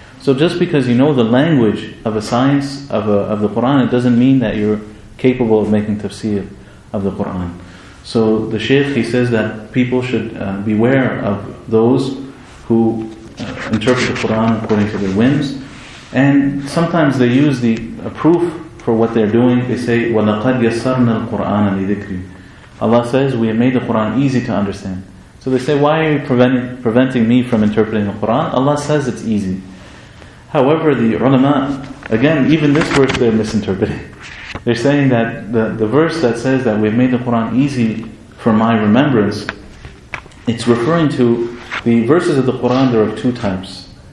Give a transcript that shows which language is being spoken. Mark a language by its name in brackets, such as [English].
[English] So just because you know the language of a science, of the Qur'an, it doesn't mean that you're capable of making tafsir of the Qur'an. So the Shaykh, he says that people should beware of those who interpret the Qur'an according to their whims. And sometimes they use the proof for what they're doing. They say, [Arabic] وَلَقَدْ يَسَّرْنَا الْقُرْآنَ لِذِكْرِ. [English] Allah says, we have made the Qur'an easy to understand. So they say, why are you preventing me from interpreting the Qur'an? Allah says it's easy. However, the ulama, again, even this verse they're misinterpreting. They're saying that the verse that says that we've made the Qur'an easy for my remembrance, it's referring to the verses of the Qur'an, they're of two types.